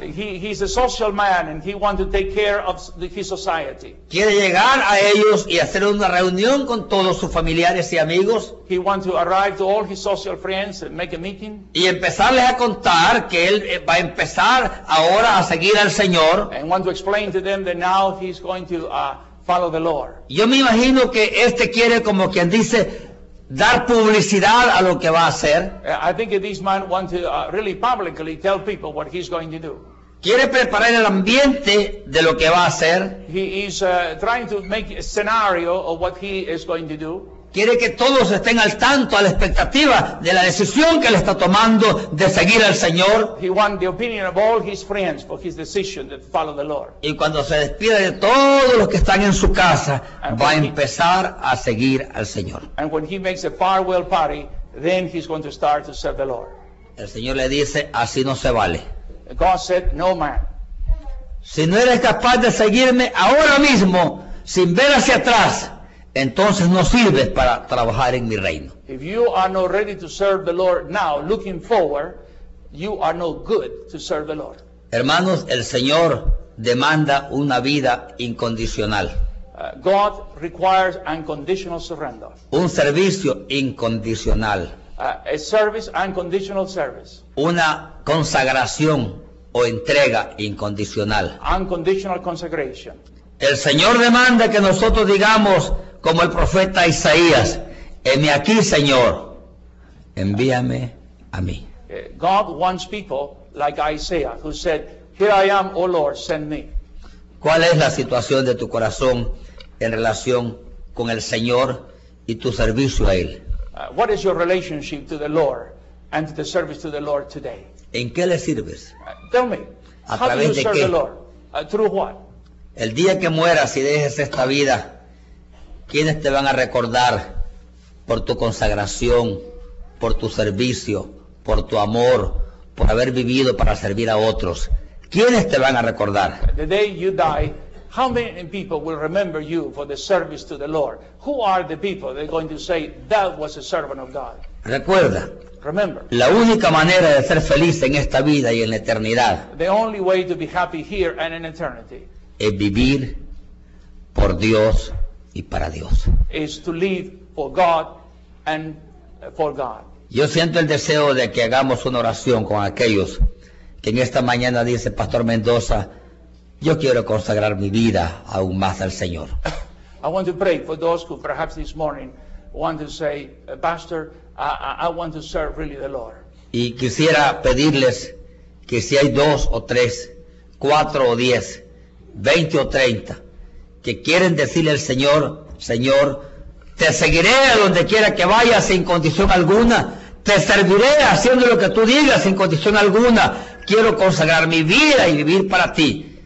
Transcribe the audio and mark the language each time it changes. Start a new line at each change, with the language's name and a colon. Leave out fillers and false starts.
English: He's a social man and he wants to take care of his society.
Spanish: Quiere llegar a ellos y hacer una reunión con todos sus familiares y amigos.
English: He wants to arrive to all his social friends and make a meeting.
Spanish: Y empezarles a contar que él va a empezar ahora a seguir al Señor.
English: And want to explain to them that now he's going to follow the Lord.
Spanish: Yo me imagino que este quiere como quien dice dar publicidad a lo que va a hacer.
English: I think this man wants to really publicly tell people what he's going to do.
Spanish: Quiere preparar el ambiente de lo que va a hacer.
English: He is trying to make a scenario of what he is going to do.
Spanish: Quiere que todos estén al tanto, a la expectativa de la decisión que él está tomando de seguir al Señor.
English: He wants the opinion of all his friends for his decision to follow the Lord.
Spanish: Y cuando se despida de todos los que están en su casa, va a empezar a seguir al Señor.
English: And when he makes a farewell party, then he's going to start to serve the Lord.
Spanish: El Señor le dice, así no se vale.
English: God said, no man.
Spanish: Si no eres capaz de seguirme ahora mismo, sin ver hacia atrás, entonces no sirves para trabajar en mi reino.
English: If you are not ready to serve the Lord now, looking forward, you are no good to serve the Lord.
Spanish: Hermanos, el Señor demanda una vida incondicional.
English: God requires unconditional surrender.
Spanish: Un servicio incondicional.
English: A service, unconditional service.
Spanish: Una consagración o entrega incondicional.
English: Unconditional consecration.
Spanish: El Señor demanda que nosotros digamos como el profeta Isaías: heme aquí, Señor, envíame a mí.
English: God wants people like Isaiah, who said, here I am, O Lord, send me.
Spanish: ¿Cuál es la situación de tu corazón en relación con el Señor y tu servicio a Él?
English: What is your relationship to the Lord and to the service to the Lord today?
Spanish: ¿En qué le sirves?
English: Tell me.
Spanish: ¿A través de qué?
English: The Lord? Through what?
Spanish: El día que mueras y dejes esta vida, ¿quiénes te van a recordar por tu consagración, por tu servicio, por tu amor, por haber vivido para servir a otros? ¿Quiénes te van a recordar?
English: The day you die, how many people will remember you for the service to the Lord? Who are the people that are going to say, that was a servant of God?
Spanish: Recuerda.
English: Remember.
Spanish: La única manera de ser feliz en esta vida y en la eternidad.
English: The only way to be happy here and in eternity.
Spanish: Es vivir por Dios y para Dios.
English: Is to live for God and for God.
Spanish: Yo siento el deseo de que hagamos una oración con aquellos que en esta mañana dice, Pastor Mendoza, yo quiero consagrar mi vida aún más al Señor.
English: I want to pray for those who perhaps this morning want to say, Pastor, I want to serve really the Lord.
Spanish: Y quisiera pedirles que si hay dos o tres, cuatro o diez, 20 o 30 que quieren decirle al Señor, Señor, te seguiré a donde quiera que vayas sin condición alguna, te serviré haciendo lo que tú digas sin condición alguna, quiero consagrar mi vida y vivir para ti.